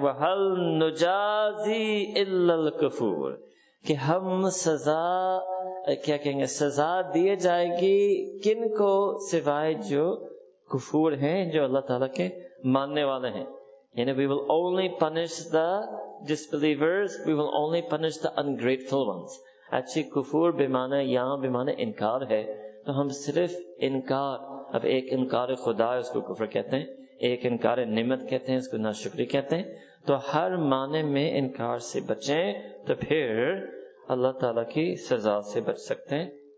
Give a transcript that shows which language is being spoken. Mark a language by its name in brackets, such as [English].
[Arabic] وَهَلْ نُجَازِي إِلَّا الْكُفُورِ, [Urdu] کہ ہم سزا کیا کہیں گے, سزا دیے جائے گی کن کو سوائے جو کفور ہیں, جو اللہ تعالیٰ کے ماننے والے ہیں. [English] یعنی we will only punish the disbelievers, we will only punish the ungrateful ones. [Urdu] اچھی کفور بیمانہ یہاں بیمانہ انکار ہے, تو ہم صرف انکار, اب ایک انکار خدا ہے اس کو کفر کہتے ہیں, ایک انکار نعمت کہتے ہیں اس کو ناشکری کہتے ہیں. تو ہر معنی میں انکار سے بچیں تو پھر اللہ تعالی کی سزا سے بچ سکتے ہیں.